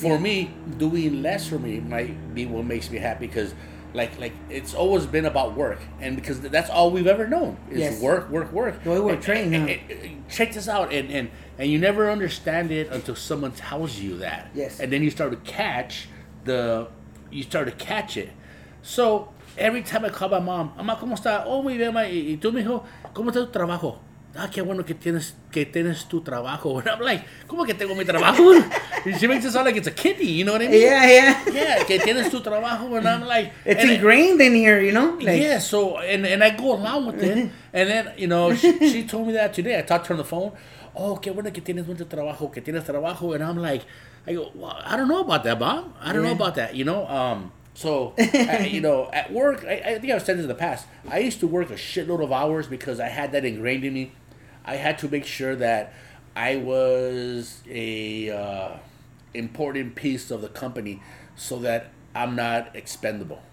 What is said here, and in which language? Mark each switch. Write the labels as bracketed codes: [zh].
[en] For me, doing less for me might be what makes me happy, because like it's always been about work, and because that's all we've ever known is work. The way we're trained. Check this out, and you never understand it until someone tells you that. Yes. And then you start to catch it. So every time I call my mom, [es] Mamá, ¿cómo está? Oh, muy bien, ma. ¿Y tú, mijo? ¿Cómo está tu trabajo? Ah, qué bueno que tienes tu trabajo. [en] And I'm like, [es] ¿cómo que tengo mi trabajo? [en] She makes it sound like it's a kitty, you know what I mean? Yeah. [es] Yeah, que tienes tu trabajo. [en] And I'm like, it's ingrained in here, you know? Like, yeah, so, and I go along with it. And then, you know, she told me that today. I talked to her on the phone. [es] Oh, qué bueno que tienes mucho trabajo, que tienes trabajo. [en] And I'm like, I go, well, I don't know about that, Mom. I don't know about that, you know? At work, I think I've said this in the past, I used to work a shitload of hours because I had that ingrained in me. I had to make sure that I was an important piece of the company so that I'm not expendable.